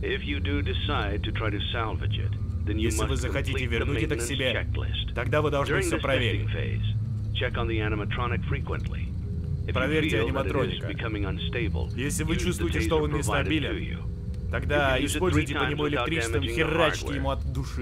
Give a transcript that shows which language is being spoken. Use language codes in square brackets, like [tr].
[ru] Если вы захотите вернуть это к себе, тогда вы должны все проверить. [en] Check on the animatronic frequently. [ru] Проверьте аниматроника. Если вы чувствуете, что он нестабилен, тогда используйте по нему электричество, херачьте ему от души.